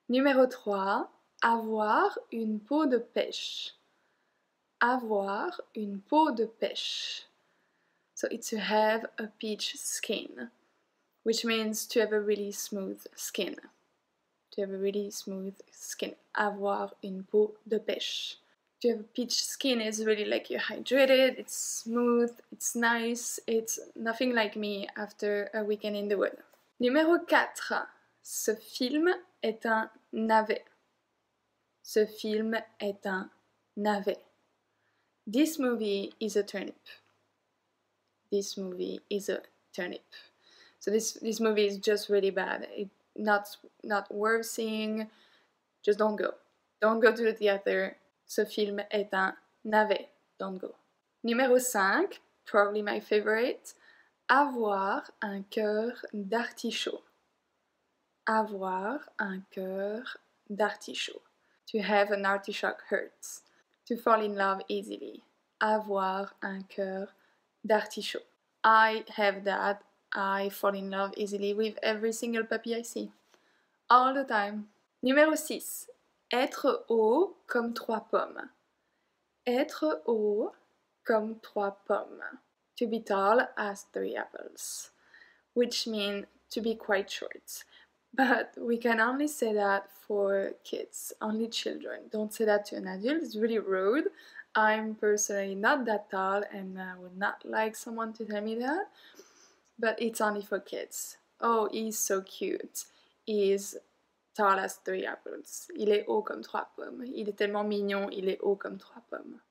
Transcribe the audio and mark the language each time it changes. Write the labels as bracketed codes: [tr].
[fr] Numéro 3, avoir une peau de pêche. Avoir une peau de pêche. [en] So it's to have a peach skin, which means to have a really smooth skin. To have a really smooth skin. [fr] Avoir une peau de pêche. [en] To have a peach skin is really like you're hydrated, it's smooth, it's nice, it's nothing like me after a weekend in the wood. [fr] Numéro 4, ce film est un navet. Ce film est un navet. [en] This movie is a turnip. This movie is a turnip. So this movie is just really bad. It's not worth seeing. Just don't go. Don't go to the theater. [fr] Ce film est un navet. [en] Don't go. [fr] Numéro 5, [en] probably my favorite. [fr] Avoir un cœur d'artichaut. Avoir un cœur d'artichaut. [en] To have an artichoke hurts. To fall in love easily. [fr] Avoir un cœur d'artichaut. [en] I have that. I fall in love easily with every single puppy I see. All the time. [fr] Numéro 6. Être haut comme trois pommes. Être haut comme trois pommes. [en] To be tall as three apples. Which means to be quite short. But we can only say that for kids, only children. Don't say that to an adult, it's really rude. I'm personally not that tall and I would not like someone to tell me that. But it's only for kids. Oh, he's so cute. He's tall as three apples. [fr] Il est haut comme trois pommes. Il est tellement mignon, il est haut comme trois pommes.